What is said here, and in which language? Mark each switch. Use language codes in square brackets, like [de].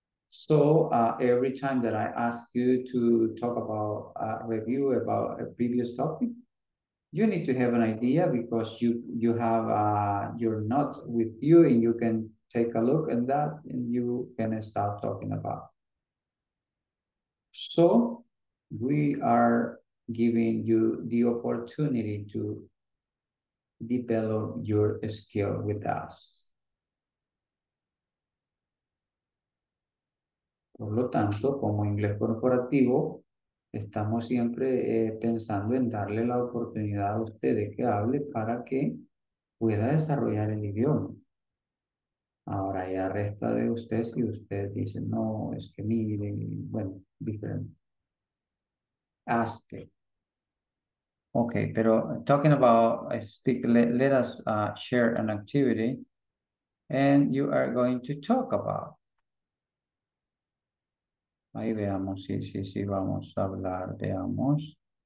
[en] So every time that I ask you to talk about a review about a previous topic, you need to have an idea because you have your notes with you and you can take a look at that and you can start talking about. So we are giving you the opportunity to develop your skill with us. [es] Por lo tanto, como inglés corporativo, estamos siempre pensando en darle la oportunidad a usted de que hable para que pueda desarrollar el idioma. Ahora ya resta de usted si usted dice, no, es que mire, bueno, diferente. [en] Aspect. Okay, pero talking about, let us share an activity and you are going to talk about. [es] Ahí veamos, sí, vamos a hablar, veamos.